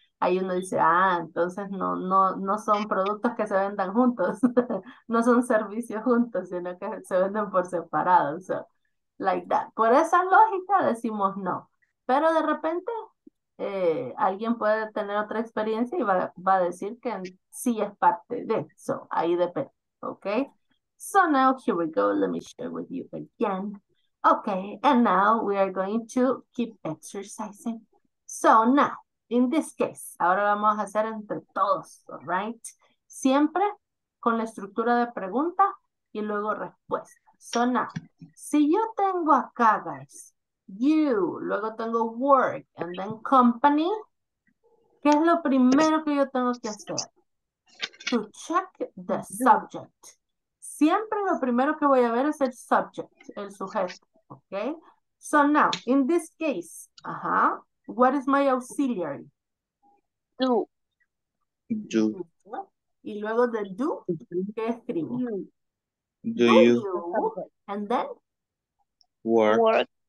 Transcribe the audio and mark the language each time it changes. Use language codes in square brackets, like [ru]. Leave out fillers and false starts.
[es] Ahí uno dice, ah, entonces no son productos que se vendan juntos, no son servicios juntos, sino que se venden por separado, [en] so, like that. [es] Por esa lógica decimos no, pero de repente alguien puede tener otra experiencia y va a decir que sí es parte de eso, ahí depende, ¿ok? [en] So now, here we go, let me share with you again. Okay, and now we are going to keep exercising. So now, in this case, [es] ahora vamos a hacer entre todos, [en] right? [es] Siempre con la estructura de pregunta y luego respuesta. [en] So now, [es] si yo tengo acá, guys, you, luego tengo work, and then company, ¿qué es lo primero que yo tengo que hacer? [en] To check the subject. [es] Siempre lo primero que voy a ver es el subject, el sujeto, okay? [en] So now, in this case, what is my auxiliary? Do. Do. [es] Y luego del do, ¿qué escribo? [en] Do you. And then? Work.